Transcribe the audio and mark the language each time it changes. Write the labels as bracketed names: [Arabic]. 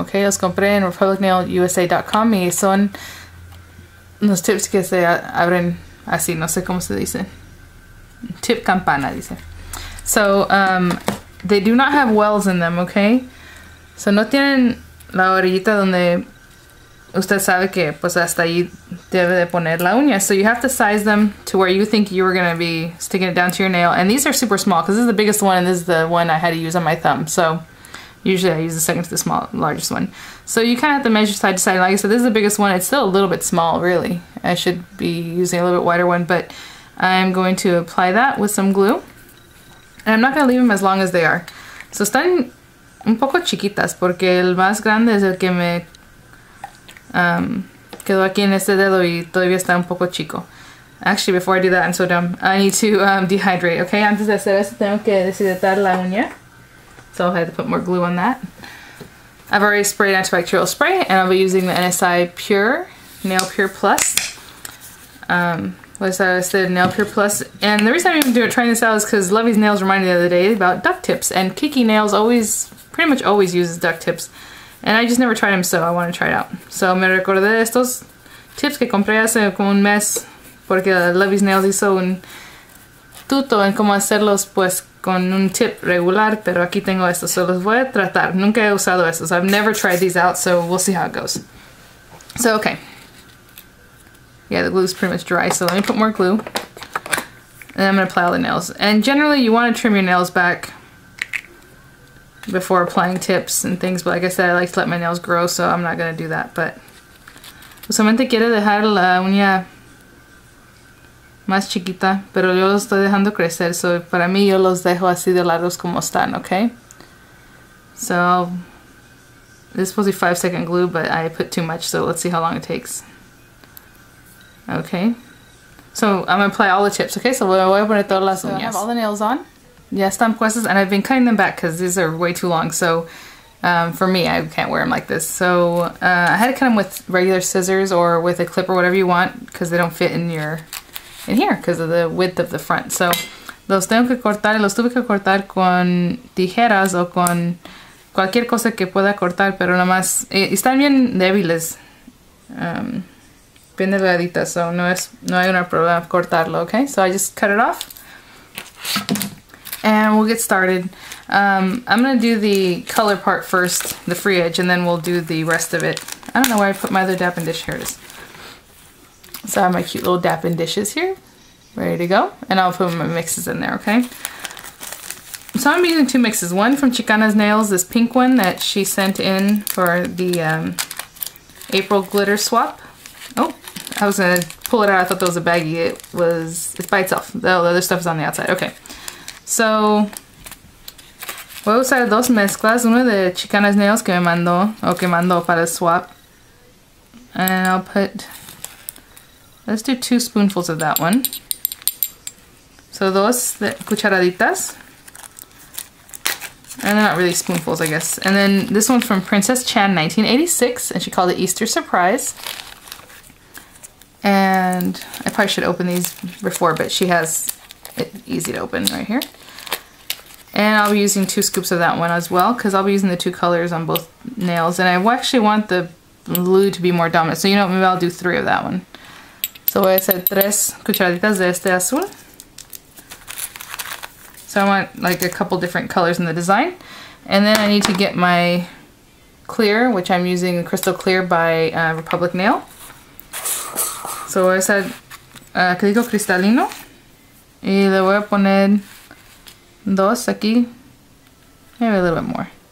[Spanish] Okay, los compré en republicnailusa.com y son los tips que se abren así, no sé cómo se dice. Tip campana, dice. [English] So, they do not have wells in them, okay? [Spanish] So, no tienen la orillita donde... Usted sabe que, pues, hasta ahí debe de poner la uña. [English] So you have to size them to where you think you were going to be sticking it down to your nail. And these are super small because this is the biggest one and this is the one I had to use on my thumb. So usually I use the second to the small, largest one. So you kind of have to measure side to side. Like I said, this is the biggest one. It's still a little bit small, really. I should be using a little bit wider one. But I'm going to apply that with some glue. And I'm not going to leave them as long as they are. [Spanish] So están un poco chiquitas porque el más grande es el que me... quedó aquí en este dedo y todavía está un poco chico. [English] Actually, before I do that, I'm so dumb. I need to dehydrate, okay? [Spanish] Antes de hacer eso, tengo que deshidratar la uña. [English] So I'll have to put more glue on that. I've already sprayed antibacterial spray, and I'll be using the NSI Pure, Nail Pure Plus. What is that? I said Nail Pure Plus. And the reason I'm even trying this out is because Lovey's Nails reminded me the other day about duck tips. And Kiki Nails always, pretty much always uses duck tips. And I just never tried them, so I want to try it out. [Spanish] So, me recordé estos tips que compré hace como un mes porque Lovey's Nails hizo un tuto en cómo hacerlos pues con un tip regular, pero aquí tengo estos, so los voy a tratar. Nunca he usado estos. [English] I've never tried these out, so we'll see how it goes. So, okay. Yeah, the glue's pretty much dry, so let me put more glue. And I'm going to apply all the nails. And generally, you want to trim your nails back before applying tips and things, but like I said, I like to let my nails grow, so I'm not gonna do that. [Spanish] But solamente quiero dejar la uña más chiquita, pero yo los estoy dejando crecer, so para mí yo los dejo así de largos como están, okay? [English] So this is supposed to be 5 second glue, but I put too much, so let's see how long it takes. Okay, so I'm gonna apply all the tips, okay? So [Spanish] voy a poner todas las uñas. [English] I have all the nails on. Yes, thumb quests, and I've been cutting them back because these are way too long. So, for me, I can't wear them like this. So, I had to cut them with regular scissors or with a clip or whatever you want because they don't fit in your in here because of the width of the front. [Spanish] So, los tengo que cortar, los tuve que cortar con tijeras o con cualquier cosa que pueda cortar, pero nada más están bien débiles, bien delgaditas. [English] So, [Spanish] no hay un problema cortarlo, [English] okay? So, I just cut it off. And we'll get started. I'm going to do the color part first, the free edge, and then we'll do the rest of it. I don't know where I put my other dappin' dish. Here it is. So I have my cute little dappin' dishes here, ready to go. And I'll put my mixes in there, okay? So I'm using two mixes. One from Chicana's Nails, this pink one that she sent in for the April glitter swap. Oh, I was going to pull it out. I thought that was a baggie. It was, it's by itself. The other stuff is on the outside. Okay. [Spanish] So, voy a usar dos mezclas, una de Chicana's Nails que me mandó, o que mandó para el swap. [English] And I'll put, let's do 2 spoonfuls of that one. [Spanish] So, dos cucharaditas. [English] And they're not really spoonfuls, I guess. And then, this one's from Princess Chan 1986, and she called it Easter Surprise. And, I probably should open these before, but she has it easy to open right here. And I'll be using 2 scoops of that one as well, because I'll be using the 2 colors on both nails. And I actually want the blue to be more dominant, so you know, maybe I'll do 3 of that one. [Spanish] So voy a hacer 3 cucharaditas de este azul. [English] So I want like a couple different colors in the design. And then I need to get my clear, which I'm using Crystal Clear by Republic Nail. [Spanish] So voy a hacer acrílico cristalino. Y le voy a poner... Dos aquí, [English] maybe a little bit more.